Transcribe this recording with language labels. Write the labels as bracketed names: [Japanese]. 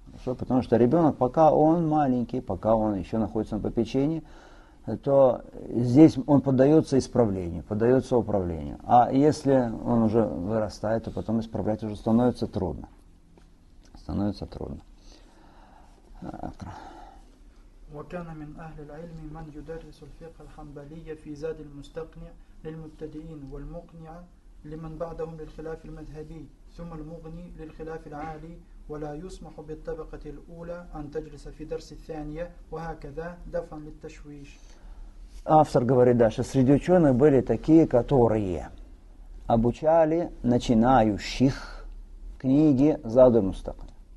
[Russian] Потому что ребенок, пока он маленький, пока он еще находится на попечении, то здесь он поддается исправлению, поддается управлению. А если он уже вырастает, то потом исправлять уже становится трудно. Становится трудно. [Arabic] وكان من أهل العلم من يدرس الفقه الحنبلي في زاد المستقنع للمبتدئين والمقنع لمن بعدهم للخلاف المذهبي ثم المغني للخلاف العالي ولا يسمح بالطبقة الأولى أن تجلس في درس الثانية وهكذا دفعا للتشويش. [Russian] Автор говорит дальше, среди ученых были такие, которые обучали начинающих книги Задр-Мустакня.